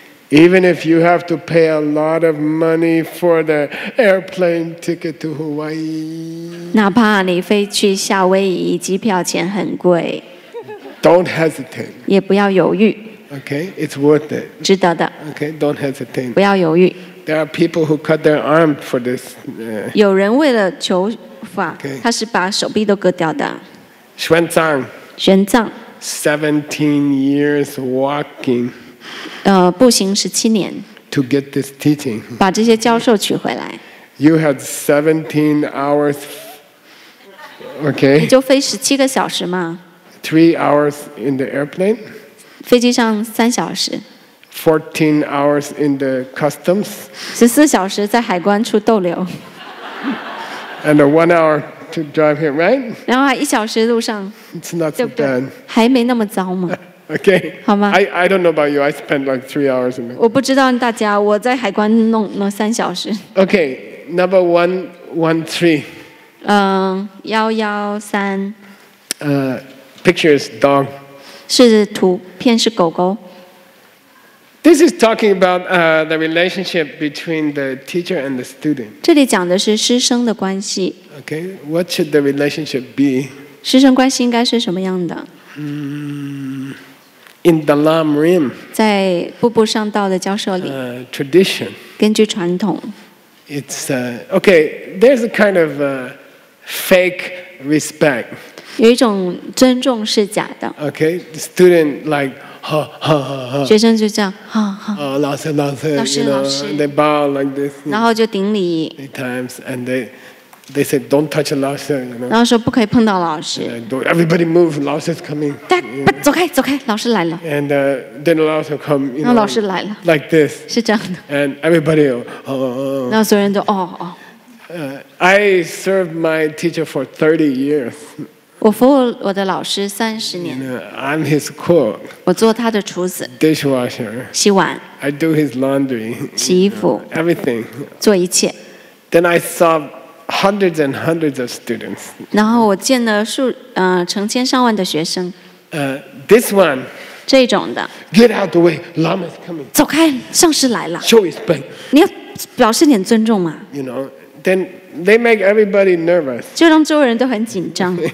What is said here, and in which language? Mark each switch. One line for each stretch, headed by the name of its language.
English: Even if you have to pay a lot of money for the airplane ticket to Hawaii.
Chinese: 哪怕你飞去夏威夷，机票钱很贵。
English: Don't hesitate.
Chinese: 也不要犹豫。
English: Okay, it's worth it.
Chinese: 值得的。
English: Okay, don't hesitate.
Chinese: 不要犹豫。
English: There are people who cut their arm for this.
Chinese: 有人为了求 他是把手臂都割掉的。
English: 玄奘。17 years walking.
Chinese: 步行17年。
English: to get this teaching.
Chinese: 把这些教授取回来。
English: You had 17 hours. Okay.
Chinese: 你就飞17个小时吗？
English: 3 hours in the airplane.
Chinese: 飞机上3小时。
English: 14 hours in the customs.
Chinese: 14小时在海关处逗留。
English: And a 1 hour to drive here, right?
Chinese: 然后还1小时路上。
English: It's not so bad.
Chinese: 还没那么糟吗？
English: Okay.
Chinese: 好吗？
English: I don't know about you. I spent like 3 hours in there.
Chinese: 我不知道大家，我在海关弄了3小时。
English: Okay, number 113. 113. Picture is dog.
Chinese: 是图片是狗狗。
English: This is talking about the relationship between the teacher and the student.
Chinese: 这里讲的是师生的关系。
English: Okay, what should the relationship be?
Chinese: 师生关系应该是什么样的？
English: In the Lam Rim,
Chinese: 在步步上道的教授里
English: tradition,
Chinese: 根据传统
English: it's okay. There's a kind of fake respect.
Chinese: 有一种尊重是假的
English: Okay, the student like ha ha ha ha.
Chinese: 学生就这样 ha ha. 哦，老师老师，老师老师。
English: They bow like this.
Chinese: 然后就顶礼。
English: Times and they say don't touch the 老师 you know?
Chinese: 然后说不可以碰到老师
English: yeah, everybody move 老师 is coming
Chinese: 但不走开走开老师来了
English: and then the 老师 come you know,
Chinese: 老师来了
English: like this
Chinese: 是这样的
English: and everybody will,
Chinese: 然后所有人都哦哦、
English: I served my teacher for 30 years
Chinese: 我服务我的老师三十年
English: you know, I'm his cook
Chinese: 我做他的厨子
English: dishwasher
Chinese: 洗碗
English: I do his laundry
Chinese: 洗衣服
English: everything
Chinese: 做一切
English: then I saw hundreds and hundreds of students.
Chinese: 然后我见了数成千上万的学生。
English: This one.
Chinese: 这种的。
English: Get out the way, Lama is coming.
Chinese: 走开，上师来了。
English: Show respect.
Chinese: 你要表示点尊重嘛。
English: You know, then they make everybody nervous.
Chinese: 就让周围人都很紧张。